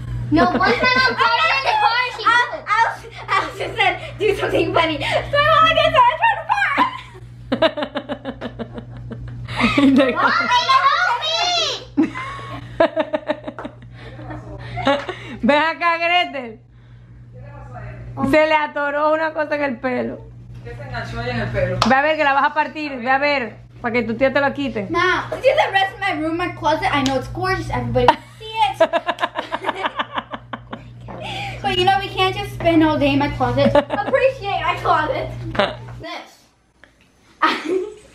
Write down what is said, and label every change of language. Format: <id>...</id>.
<en>No, one time I'm farting in the car, she. I said do something funny. So I'm all like, I tried to fart.</en> <es>Ven acá, Gretel. Se le atoró una cosa en el pelo. ¿Qué se enganchó ahí en el pelo? Ve a ver que la vas a partir, ve a ver. Para que tu tía te la quite. No.</es> <en>This is the rest of my room, my closet. I know it's gorgeous. Everybody can see it. But you know, we can't just spend all day in my closet. Appreciate my closet. This.</en>